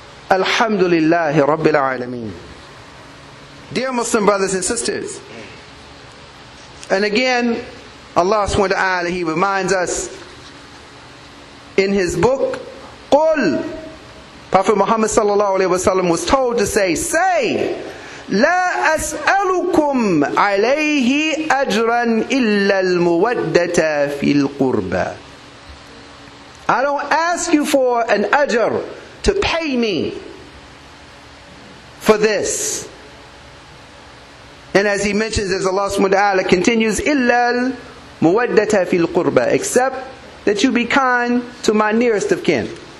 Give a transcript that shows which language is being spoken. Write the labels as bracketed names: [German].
[English] Alhamdulillah Rabbil Alameen. Dear Muslim brothers and sisters, and again, Allah subhanahu wa ta'ala, He reminds us in His book, قُلْ Prophet Muhammad sallallahu alayhi wa sallam was told to say, say, [Arabic] لا أسألكم عليه أجرا إلا المودة في القربى. [English] I don't ask you for an ajr to pay me for this. And as he mentions, as Allah subhanahu wa ta'ala continues, [Arabic] إِلَّا الْمُوَدَّةَ فِي الْقُرْبَى, [English] except that you be kind to my nearest of kin.